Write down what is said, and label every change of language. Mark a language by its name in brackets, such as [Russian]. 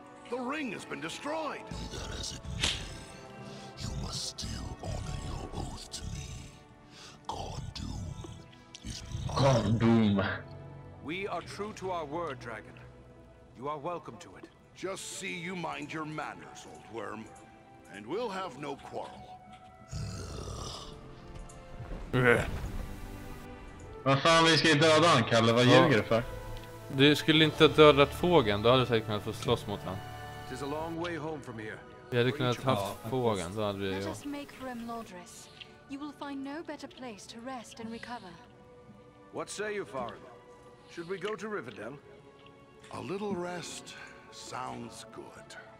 [English] The ring has been destroyed. Be that as it may, you must still honor your oath to me. Khondoom is mine. Khondoom. We are true to our word, dragon. You are welcome to it. Just see you mind your manners, old worm. And we'll have no quarrel. [Swedish] Vad fan, vi ska ju döda han, Kalle. Vad ljuger du för? Du skulle inte ha dödat fågeln, då hade du säkert kunnat få slåss mot den. [English] It's a long way home from here. [Swedish] Vi hade kunnat ha haft fågeln, då hade vi ju... [English] Let us make for Imladris. You will find no better place to rest and recover. What say you, Farad? Should we go to Rivendell? A little rest sounds good.